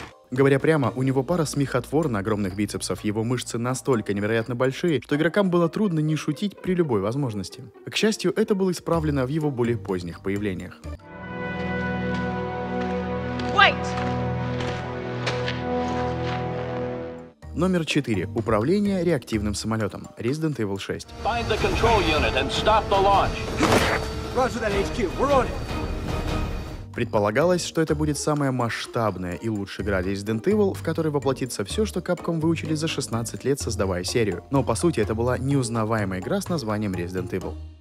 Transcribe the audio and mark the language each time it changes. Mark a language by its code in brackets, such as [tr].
[ru] Говоря прямо, у него пара смехотворно огромных бицепсов, его мышцы настолько невероятно большие, что игрокам было трудно не шутить при любой возможности. К счастью, это было исправлено в его более поздних появлениях. Номер 4. Управление реактивным самолетом. Resident Evil 6. [en] Find the control unit and stop the launch. Roger that HQ. We're on it. [ru] Предполагалось, что это будет самая масштабная и лучшая игра Resident Evil, в которой воплотится все, что Capcom выучили за 16 лет, создавая серию. Но по сути это была неузнаваемая игра с названием Resident Evil.